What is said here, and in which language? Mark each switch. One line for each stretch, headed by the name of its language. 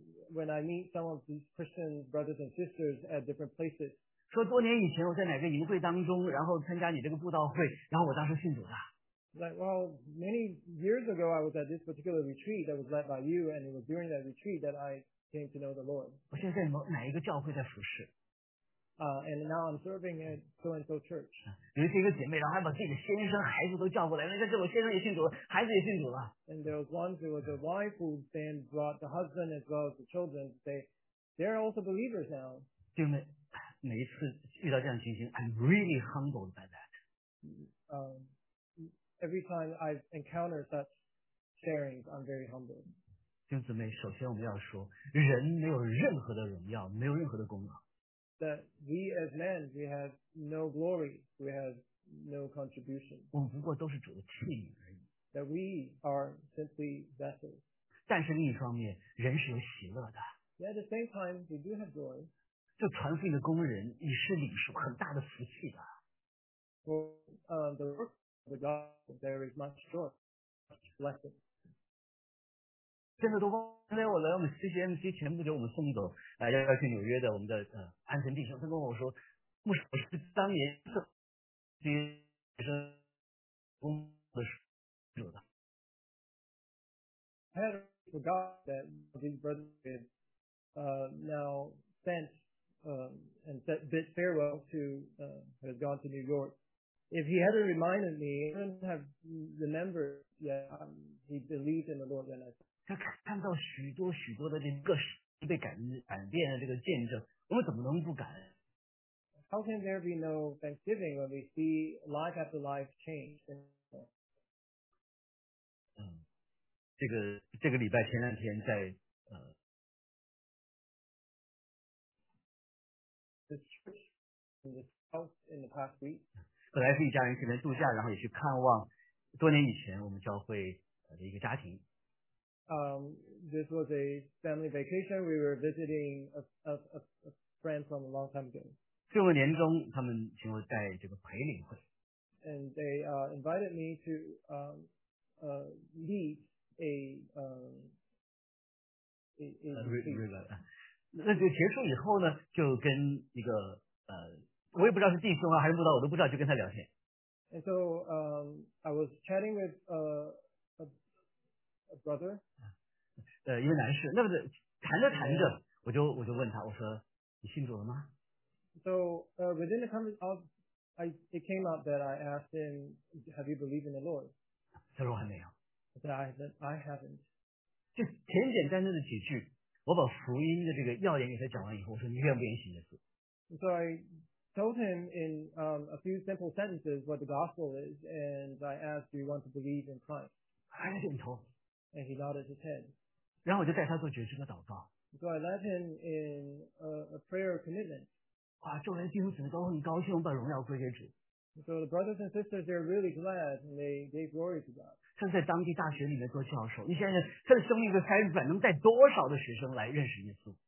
English: When I meet some of these Christian brothers and sisters at different places,
Chinese: 说多年以前我在哪个营会当中，然后参加你这个布道会，然后我当时信主的。
English: Like, well, many years ago, I was at this particular retreat that was led by you, and it was during that retreat that I came to know the Lord.
Chinese: 我现在在哪一个教会在服事？
English: And now I'm serving at so and so church.
Chinese: 有一个姐妹，然后还把自己的先生、孩子都叫过来。那这我先生也信主了，孩子也信主了。
English: And there was one who was a wife who then brought the husband as well as the children. They're also believers now.
Chinese: 弟兄们，每一次遇到这样的情形 ，
English: I'm really humbled by that. Every time I encounter such sharings, I'm very humbled.
Chinese: 弟兄姊妹，首先我们要说，人没有任何的荣耀，没有任何的功劳。
English: That we as men, we have no glory, we have no contribution.
Chinese: 我们不过都是主的器皿而已。
English: That we are simply vessels.
Chinese: 但是另一方面，人是有喜乐的。
English: At the same time, we do have joy.
Chinese: 就传福音的工人，你是领受很大的福气的。
English: For the work of the gospel, there is much joy, much blessing.
Chinese: 现在都忘。今天我来我们 CCMC 前不久，我们送走要去纽约的我们的安神弟兄，他跟我说，牧师，我是当年是学生工的时候的。
English: I had forgot that these brothers had now sent and said bid farewell to has gone to New York. If he hadn't reminded me, I wouldn't have remembered yet. He believed in the Lord and I.
Chinese: 他看到许多许多的这个被改变的这个见证，我们怎么能不感恩？
English: How can there be no thanksgiving when we see life after life change?
Chinese: 这个礼拜前两天在
English: This church in this house in the past week.
Chinese: 本来是一家人去那度假，然后也去看望多年以前我们教会的一个家庭。
English: This was a family vacation. We were visiting a friend from a long time ago.
Chinese: 最后年终，他们请我带这个陪领会。
English: And they invited me to lead
Chinese: 那就结束以后呢，就跟一个我也不知道是弟兄啊还是慕道，我都不知道，就跟他聊天。
English: And so I was chatting with a brother.
Chinese: 一个男士，那不是谈着谈着，我就问他，我说你信主了吗？
English: So within the conversation, it came up that I asked him, "Have you believed in the Lord?"
Chinese: 他说还没有。
English: That I haven't.
Chinese: 就简简单单的几句，我把福音的这个要点给他讲完以后，我说你愿不愿意信耶稣？
English: So I told him in a few simple sentences what the gospel is, and I asked, "Do you want to believe in Christ?"
Chinese: 他还是点头。
English: And he nodded his head.
Chinese: 然后我就带他做决心的祷告。
English: So I led him in a prayer commitment.
Chinese: 哇，众人弟兄姊妹都很高兴，我把荣耀归给主。
English: So the brothers and sisters, they're really glad, and they gave glory to God.
Chinese: 甚至在当地大学里面做教授，你想想，他的生命的开展能带多少的学生来认识耶稣